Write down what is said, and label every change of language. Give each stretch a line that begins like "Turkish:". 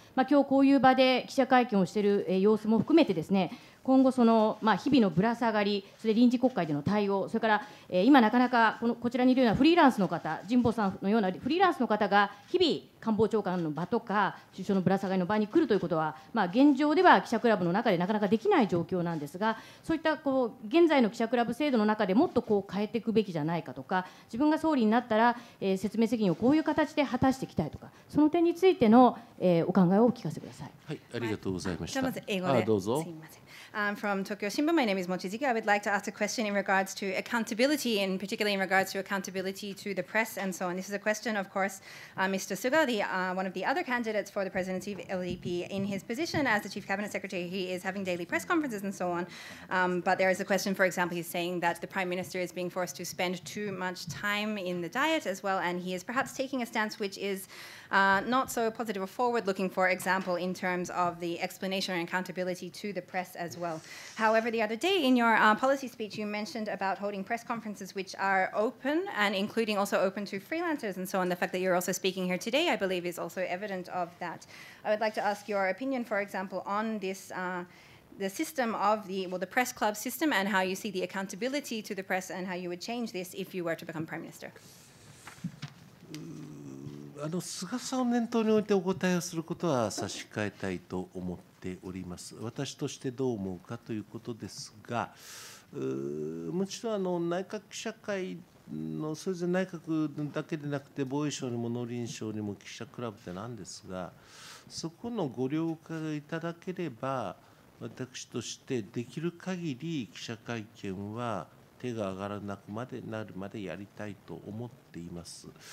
Japanese: まあ、今日こういう場で記者会見をしている様子も含めてですね、今後その、まあ、日々のぶら下がり、それ臨時国会での対応、それから今なかなか こちらにいるようなフリーランスの方、神保さんのようなフリーランスの方が日々官房長官の場とか首相のぶら下がりの場に来るということは、まあ、現状では記者クラブの中でなかなかできない状況なんですが、そういったこう現在の記者クラブ制度の中でもっとこう変えていくべきじゃないかとか、自分が総理になったら、説明責任をこういう形で果たしていきたいとか、その点についての、お考えをお聞かせください。はい、ありがとうございました。まず英語で。どうぞ。すみません。
English: From Tokyo Shimbun, my name is Mochizuki. I would like to ask a question in regards to accountability, and particularly in regards to accountability to the press and so on. This is a question, of course, Mr. Suga, one of the other candidates for the presidency of LDP. In his position as the chief cabinet secretary, he is having daily press conferences and so on. But there is a question, for example, he's saying that the prime minister is being forced to spend too much time in the diet as well, and he is perhaps taking a stance which is not so positive or forward-looking, for example, in terms of the explanation and accountability to the press as well. However, the other day in your policy speech, you mentioned about holding press conferences which are open and including also open to freelancers and so on. The fact that you're also speaking here today, I believe, is also evident of that. I would like to ask your opinion, for example, on this, the system of the, well, the press club system and how you see the accountability to the press and how you would change this if you were to become Prime Minister.
Japanese: 菅さんを念頭においてお答えをすることは差し控えたいと思っております。私としてどう思うかということですが、もちろん内閣記者会のそれぞれ内閣だけでなくて防衛省にも農林省にも記者クラブってなんですが、そこのご了解をいただければ私としてできる限り記者会見は手が上がらなくまでなるまでやりたいと思っています。